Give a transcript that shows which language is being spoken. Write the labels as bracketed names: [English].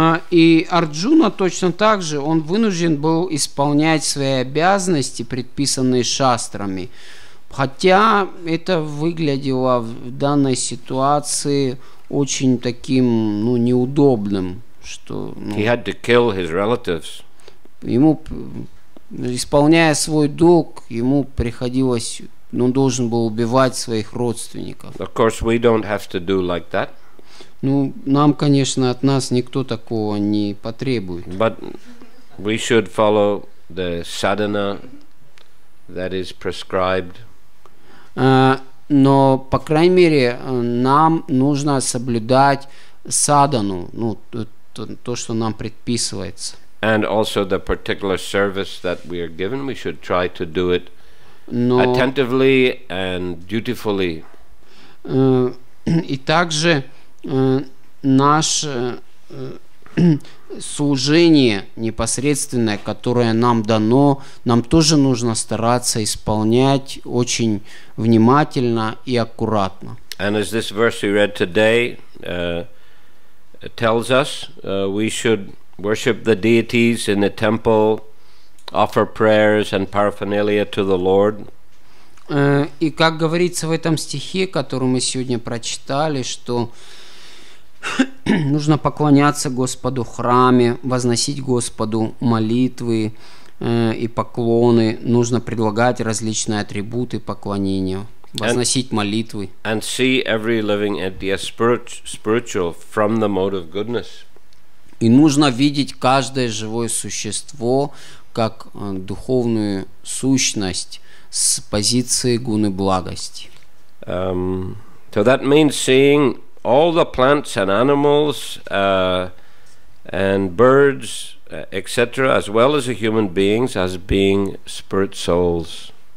[Russian] И Арджуна точно так же, он вынужден был исполнять свои обязанности, предписанные шастрами, хотя это выглядело в данной ситуации очень таким, ну, неудобным, что, ну, [English] he had to kill his relatives. [Russian] Ему, исполняя свой долг, ему приходилось, ну, он должен был убивать своих родственников. [English] Of course, we don't have to do like that. [Russian] Ну, нам, конечно, от нас никто такого не потребует. [English] But we should follow the sadhana that is prescribed. [Russian] Но, по крайней мере, нам нужно соблюдать садхану, ну, то, что нам предписывается. [English] And also the particular service that we are given, we should try to do it attentively and dutifully. [Russian] И также наше служение непосредственное, которое нам дано, нам тоже нужно стараться исполнять очень внимательно и аккуратно. [English] And as this verse we read today tells us, we should worship the deities in the temple, offer prayers and paraphernalia to the Lord. [Russian] И как говорится в этом стихе, который мы сегодня прочитали, что нужно поклоняться Господу в храме, возносить Господу молитвы и поклоны, нужно предлагать различные атрибуты поклонения, возносить молитвы. [English] And see every living entity as spiritual from the mode of goodness. [Russian] И нужно видеть каждое живое существо как духовную сущность с позиции гуны благости. [English] So that means seeing all the plants and animals and birds, etc., as well as the human beings, as being spirit souls.